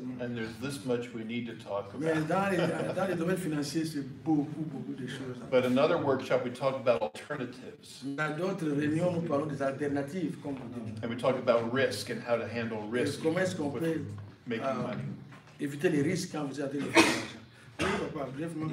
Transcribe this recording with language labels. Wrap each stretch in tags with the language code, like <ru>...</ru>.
<en>And there's this much we need to talk about.</en> <fr>Mais dans les domaines financiers, c'est beaucoup de choses.</fr> <en>But another workshop, we talked about alternatives.</en> <fr>Dans d'autres réunions, nous parlons des alternatives, comme vous dites.</fr> <en>And we talked about risk and how to handle risk.</en> <fr>Comment est-ce qu'on peut éviter les risques quand vous avez des finances?</fr>